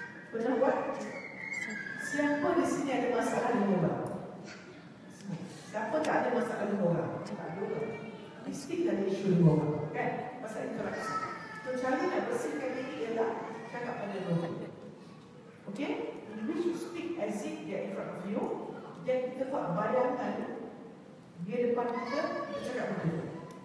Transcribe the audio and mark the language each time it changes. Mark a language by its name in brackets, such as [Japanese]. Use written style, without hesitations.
[Malay] Pernah buat? Siapa di sini ada masalah dengan orang? Siapa tak ada masalah dengan orang? Tak ada orang. Mesti ada isu dengan orang. Kan? Masalah interaksi. So, cara nak bersihkan diri ialah cakap pada orang. Okay? [English] You need to speak as if they are in front of you. [Malay] Dan kita buat bayangan dia depan kita, dia cakap pada orang.